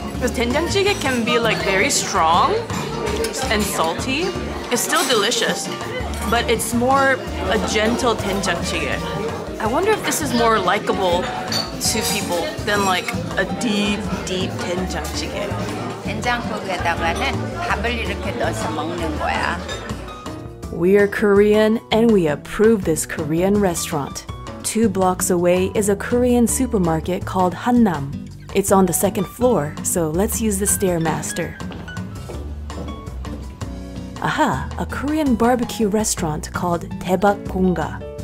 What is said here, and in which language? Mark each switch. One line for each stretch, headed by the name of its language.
English: Because tenjangjjigae can be like very strong and salty. It's still delicious, but it's more a gentle tenjangjjigae. I wonder if this is more likable to people than like a deep, deep tenjangjjigae.
Korean: 된장국에다가는 밥을 이렇게 넣어서 먹는 거야.
English: We are Korean and we approve this Korean restaurant. Two blocks away is a Korean supermarket called Hannam. It's on the second floor, so let's use the Stairmaster. Aha, a Korean barbecue restaurant called Daebak Bonga.